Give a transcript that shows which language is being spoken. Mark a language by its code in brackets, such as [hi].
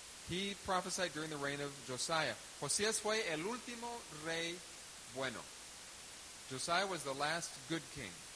[en] He prophesied during the reign of Josiah. [es] Josías fue el último rey bueno. [en] Josiah was the last good king.